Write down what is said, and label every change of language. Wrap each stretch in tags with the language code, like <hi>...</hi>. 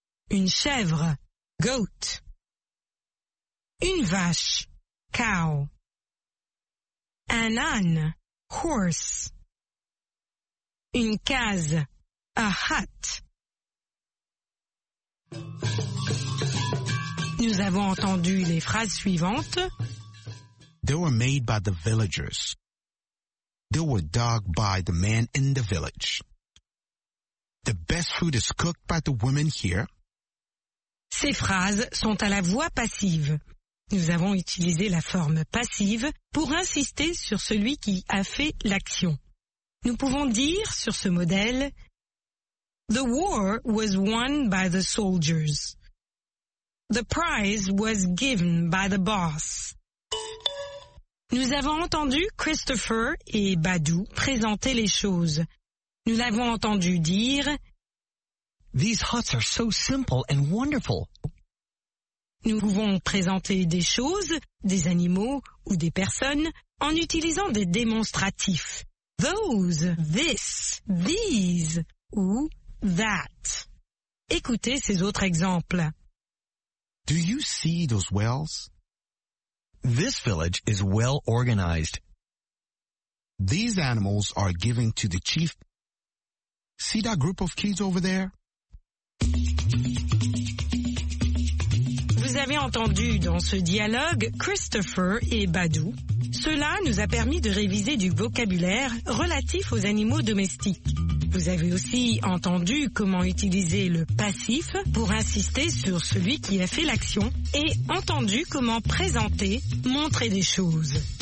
<fr>Une chèvre, goat. Une vache, cow. Un âne, horse. Une case,</fr> <en>a hut.</en> <fr>Nous avons entendu les phrases suivantes.</fr> <en>They were made by the villagers. They were dug by the man in the village. The best food is cooked by the women here.</en> <fr>Ces phrases sont à la voix passive. Nous avons utilisé la forme passive pour insister sur celui qui a fait l'action. Nous pouvons dire sur ce modèle,</fr> <en>The war was won by the soldiers. The prize was given by the boss.</en> <fr>Nous avons entendu Christopher et Badou présenter les choses. Nous l'avons entendu dire,</fr> <en>These huts are so simple and wonderful.</en> <fr>Nous pouvons présenter des choses, des animaux ou des personnes en utilisant des démonstratifs.</fr> <en>Those, this, these, ou that.</en> <fr>Écoutez ces autres exemples.</fr> <en>Do you see those wells? This village is well organized. These animals are given to the chief. See that group of kids over there?</en> <fr>Vous avez entendu dans ce dialogue Christopher et Badou. Cela nous a permis de réviser du vocabulaire relatif aux animaux domestiques. Vous avez aussi entendu comment utiliser le passif pour insister sur celui qui a fait l'action et entendu comment présenter, montrer des choses.</fr>